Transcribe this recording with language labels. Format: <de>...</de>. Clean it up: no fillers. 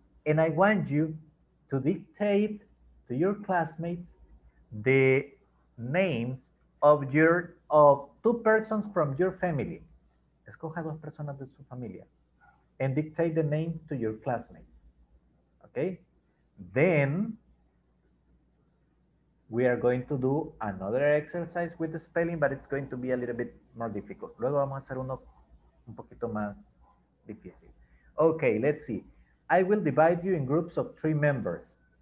<en>And I want you to dictate to your classmates the names of your of two persons from your family.</en> <es>Escoja dos personas de su familia</es> <en>and dictate the name to your classmates. Okay? Then we are going to do another exercise with the spelling, but it's going to be a little bit more difficult.</en> <es>Luego vamos a hacer uno un poquito más difícil.</es> <en>Okay, let's see. I will divide you in groups of three members.</en>